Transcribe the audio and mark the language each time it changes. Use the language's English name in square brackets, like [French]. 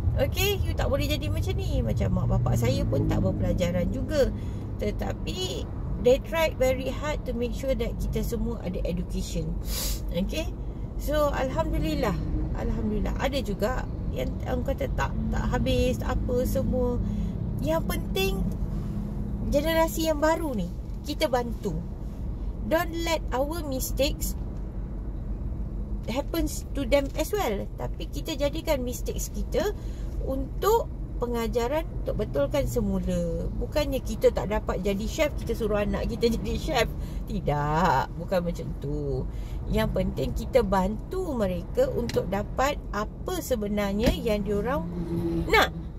[Malay] Okay, you tak boleh jadi macam ni. Macam mak bapak saya pun tak berpelajaran juga. Tetapi [English] they tried very hard to make sure that [Malay] kita semua ada [English] education. Okay, so alhamdulillah, alhamdulillah. [Malay] Ada juga yang orang kata tak habis apa semua. Yang penting generasi yang baru ni kita bantu. [English] Don't let our mistakes happens to them as well. [Malay] Tapi kita jadikan mistakes kita untuk pengajaran, untuk betulkan semula. Bukannya kita tak dapat jadi chef, kita suruh anak kita jadi chef. Tidak, bukan macam tu. Yang penting kita bantu mereka untuk dapat apa sebenarnya yang diorang nak.